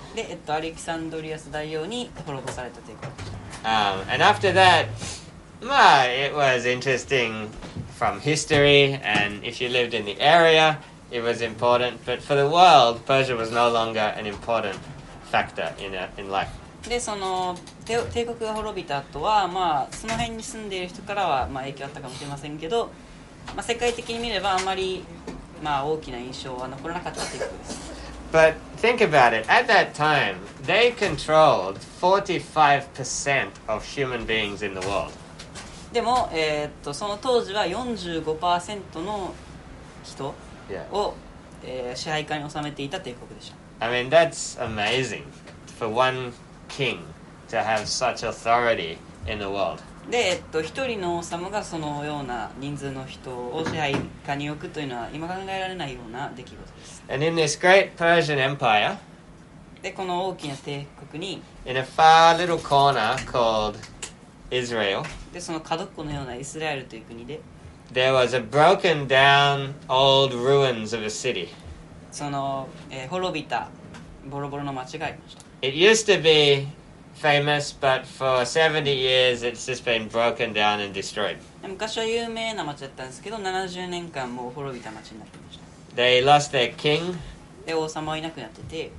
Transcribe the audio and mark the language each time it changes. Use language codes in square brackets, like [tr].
[en] And after that, it was interesting from history, and if you lived in the area, it was important. But for the world, Persia was no longer an important factor in life. [ja] で、その、帝国が滅びた後は、その辺に住んでいる人からは、影響あったかもしれませんけど、世界的に見ればあまり、大きな印象は残らなかったということです。 [en] But think about it. At that time, they controlled 45% of human beings in the world. [ja] でも、その当時は 45% の人を、支配下に収めていた帝国でした。 [en] I mean, that's amazing. For one... king to have such authority in the world. [ja] で、一人の王様がそのような人数の人を支配下に置くというのは今考えられないような出来事です。 [en] And in this great Persian empire, [ja] で、この大きな帝国に、 [en] in a far little corner called Israel, [ja] で、その角っこのようなイスラエルという国で、 [en] there was a broken down old ruins of a city. [ja] その、滅びたボロボロの町がありました。 [en] It used to be famous, but for 70 years it's just been broken down and destroyed. [ja] 昔は有名な町だったんですけど、70年間もう滅びた町になってました。 [en] They lost their king. [ja] で、王様はいなくなってて。